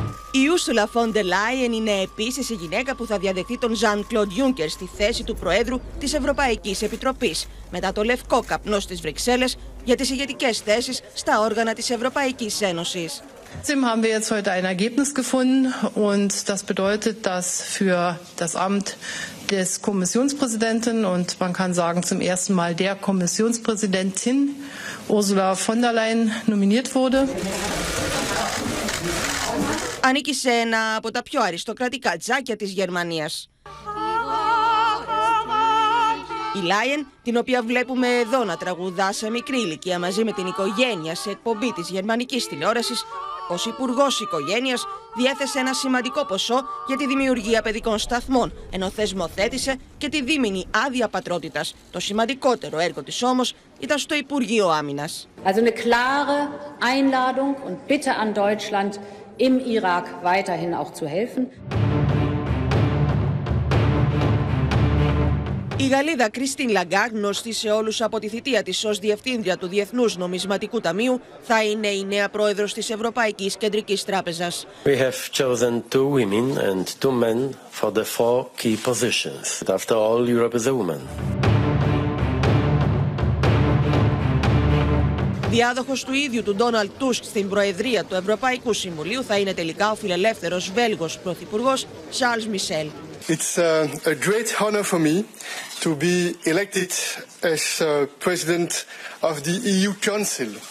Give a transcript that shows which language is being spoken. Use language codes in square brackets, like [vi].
[el] Η Ούρσουλα Φόντερ Λάιεν είναι επίσης η γυναίκα που θα διαδεχθεί τον Ζαν-Κλοντ Γιούνκερ στη θέση του Προέδρου της Ευρωπαϊκής Επιτροπής, μετά το λευκό καπνό στις Βρυξέλλες για τις ηγετικές θέσεις στα όργανα της Ευρωπαϊκής Ένωσης. [de] Sim, haben wir jetzt heute ein Ergebnis gefunden und das bedeutet, dass für das Amt des Kommissionspräsidenten und man kann sagen zum ersten Mal der Kommissionspräsidentin Ursula von der Leyen nominiert wurde. [el] Ανήκει σε ένα από τα πιο αριστοκρατικά τζάκια της Γερμανίας. Η Λάιεν, την οποία βλέπουμε εδώ να τραγουδά σε μικρή ηλικία μαζί με την οικογένεια σε εκπομπή της γερμανικής τηλεόρασης, ως υπουργός οικογένειας διέθεσε ένα σημαντικό ποσό για τη δημιουργία παιδικών σταθμών, ενώ θεσμοθέτησε και τη δίμηνη άδεια πατρότητας. Το σημαντικότερο έργο της όμως ήταν στο Υπουργείο Άμυνας. [de] Also eine klare Einladung und bitte an Deutschland im Irak weiterhin auch zu helfen. [el] Η Γαλλίδα Κριστίν Λαγκάρντ, γνωστή σε όλους από τη θητεία της ως Διευθύντρια του Διεθνούς Νομισματικού Ταμείου, θα είναι η νέα πρόεδρος της Ευρωπαϊκής Κεντρικής Τράπεζας. [en] We have chosen 2 women and 2 men for the 4 key positions. After all, Europe is a woman. [el] Διάδοχος του ίδιου του Ντόναλντ Τούσκ στην Προεδρία του Ευρωπαϊκού Συμβουλίου θα είναι τελικά ο φιλελεύθερος Βέλγος Πρωθυπουργός Σαρλ Μισελ. [en] It's a great honor for me to be elected as president of the EU Council.